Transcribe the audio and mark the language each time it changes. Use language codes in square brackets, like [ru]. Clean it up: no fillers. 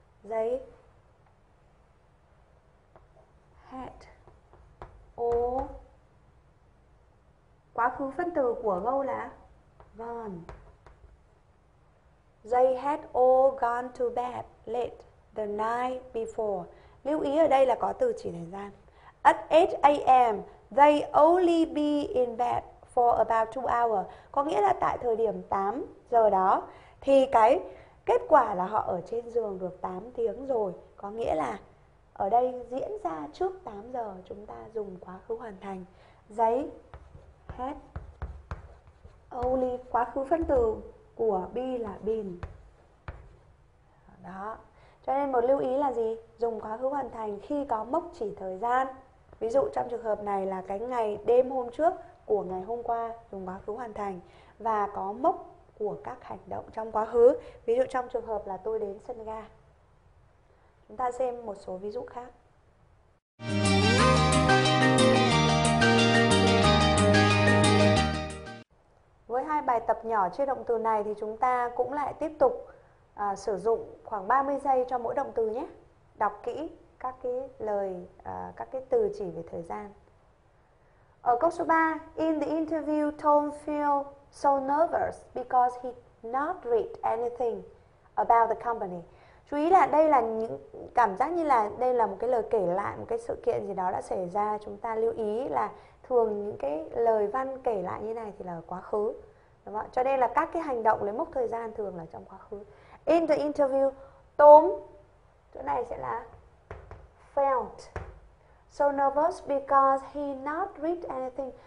[en] They had all, [vi] quá khứ phân từ của go là gone. [en] They had all gone to bed late the night before. [vi] Lưu ý ở đây là có từ chỉ thời gian. [en] At 8 a.m. They only be in bed for about 2 hours. [vi] Có nghĩa là tại thời điểm 8 giờ đó thì cái kết quả là họ ở trên giường được 8 tiếng rồi. Có nghĩa là ở đây diễn ra trước 8 giờ, chúng ta dùng quá khứ hoàn thành. [en] They had only [vi] quá khứ phân từ của be là been. Đó. Cho nên một lưu ý là gì? Dùng quá khứ hoàn thành khi có mốc chỉ thời gian. Ví dụ trong trường hợp này là cái ngày đêm hôm trước của ngày hôm qua, dùng quá khứ hoàn thành và có mốc của các hành động trong quá khứ. Ví dụ trong trường hợp là tôi đến sân ga. Chúng ta xem một số ví dụ khác. Với hai bài tập nhỏ chia động từ này thì chúng ta cũng lại tiếp tục sử dụng khoảng 30 giây cho mỗi động từ nhé. Đọc kỹ các cái lời, các cái từ chỉ về thời gian. Ở câu số 3, [en] in the interview, Tom feels so nervous because he not read anything about the company. [vi] Chú ý là đây là những cảm giác như là đây là một cái lời kể lại một cái sự kiện gì đó đã xảy ra. Chúng ta lưu ý là thường những cái lời văn kể lại như này thì là ở quá khứ, đúng không? Cho nên là các cái hành động lấy mốc thời gian thường là trong quá khứ. [en] In the interview, Tom, [vi] chỗ này sẽ là [en] felt so nervous because he not read anything.